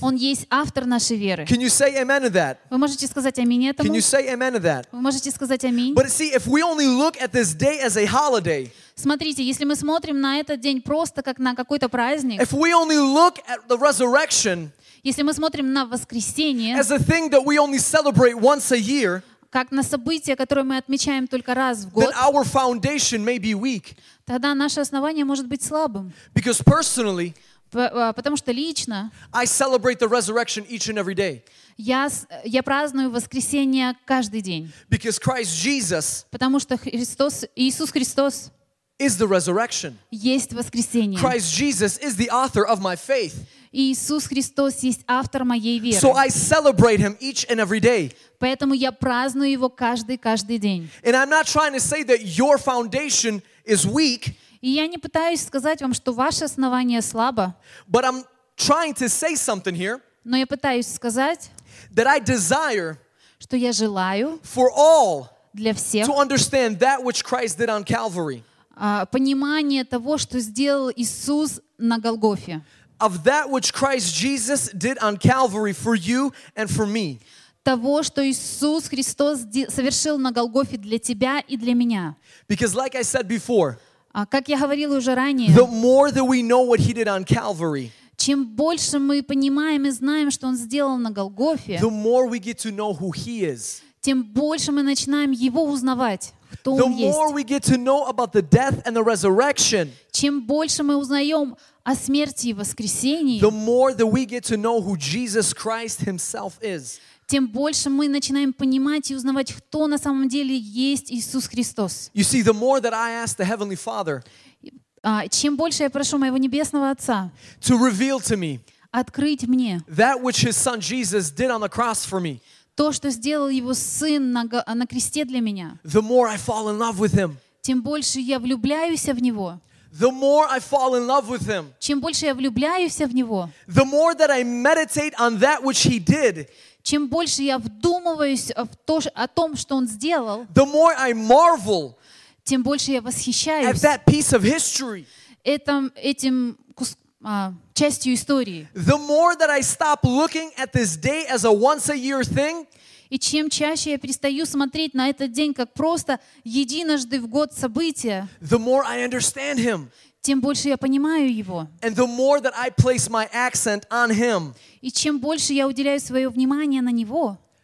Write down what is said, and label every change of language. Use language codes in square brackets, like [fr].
[ru] Он есть автор нашей веры. [en] Can you say amen to that? [ru] Вы можете сказать аминь этому? [en] Can you say amen to that? [ru] Вы можете сказать аминь? [en] But see, if we only look at this day as a holiday, [ru] смотрите, если мы смотрим на этот день просто как на какой-то праздник, [en] if we only look at the resurrection, [ru] если мы смотрим на воскресение, [en] as a thing that we only celebrate once a year, [ru] как на событие, которое мы отмечаем только раз в год, [en] our foundation may be weak. [ru] Тогда наше основание может быть слабым. [en] Because personally, [ru] потому что лично [en] I celebrate the resurrection each and every day. [ru] Я праздную воскресение каждый день. [en] Because Christ Jesus [ru] потому что Христос, Иисус Христос [en] is the resurrection. [ru] Есть воскресение. [en] Christ Jesus is the author of my faith. [ru] Иисус Христос есть автор моей веры. [en] So I celebrate him each and every day. [ru] Поэтому я праздную его каждый день. [en] And I'm not trying to say that your foundation is weak. [ru] И я не пытаюсь сказать вам, что ваше основание слабо. [en] But I'm trying to say something here. [ru] Но я пытаюсь сказать, [en] that I desire, [ru] что я желаю, [en] for all, [ru] для всех, [en] to understand that which Christ did on Calvary. [ru] Понимание того, что сделал Иисус на Голгофе. [en] Of that which Christ Jesus did on Calvary for you and for me. [ru] Того, что Иисус Христос совершил на Голгофе для тебя и для меня. [en] Because like I said before, [ru] как я говорил уже ранее, [en] the more that we know what he did on Calvary, [ru] чем больше мы понимаем и знаем, что он сделал на Голгофе, [en] the more we get to know who he is. [ru] Тем больше мы начинаем его узнавать. [en] The more we get to know about the death and the resurrection, [ru] чем больше мы узнаем о смерти и воскресении, [en] the more that we get to know who Jesus Christ himself is, [ru] тем больше мы начинаем понимать и узнавать, кто на самом деле есть Иисус Христос. [en] You see, the more that I ask the Heavenly Father, [ru] чем больше я прошу моего небесного Отца, [en] to reveal to me, [ru] открыть мне, [en] that which His Son Jesus did on the cross for me. [ru] То, что сделал его сын на кресте для меня. [en] The more I fall in love with him. [ru] Тем больше я влюбляюсь в него. [en] The more I fall in love with him. [ru] Чем больше я влюбляюсь в него. [en] The more that I meditate on that which he did. [ru] Чем больше я вдумываюсь в то, о том, что он сделал. [en] The more I marvel. [ru] Тем больше я восхищаюсь. [en] At that piece of history. [ru] Этим частью истории. [en] The more that I stop looking at this day as a once a year thing, [ru] и чем чаще я перестаю смотреть на этот день как просто единожды в год событие, [en] the more I understand him, [ru] тем больше я понимаю его, [en] and the more that I place my accent on him, [ru] и чем больше я уделяю свое внимание на него,